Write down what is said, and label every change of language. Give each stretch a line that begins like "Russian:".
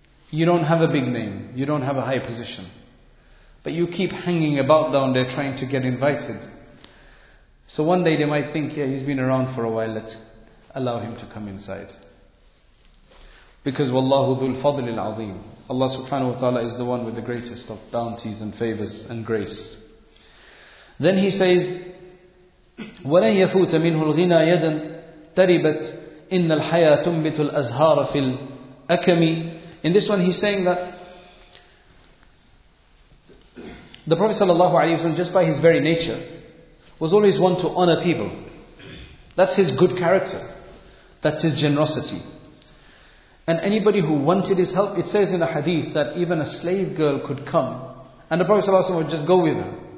English: You don't have a big name, you don't have a high position, but you keep hanging about down there trying to get invited. So one day they might think, yeah, he's been around for a while, let's allow him to come inside. Because Wallahu dhul fadlil azim, Allah subhanahu wa ta'ala is the one with the greatest of bounties and favors and grace. Then he says,
Arabic: وَلَنْ يَفُوتَ مِنْهُ الْغِنَى يَدًا تَرِبَتْ إِنَّ الْحَيَاةُ تُنْبِتُ الْأَزْهَارَ فِي الْأَكَمِ.
English: In this one, he's saying that the Prophet sallallahu alaihi wasallam, just by his very nature, was always one to honor people. That's his good character. That's his generosity. And anybody who wanted his help, it says in the hadith that even a slave girl could come, and the Prophet sallallahu alaihi wasallam would just go with her.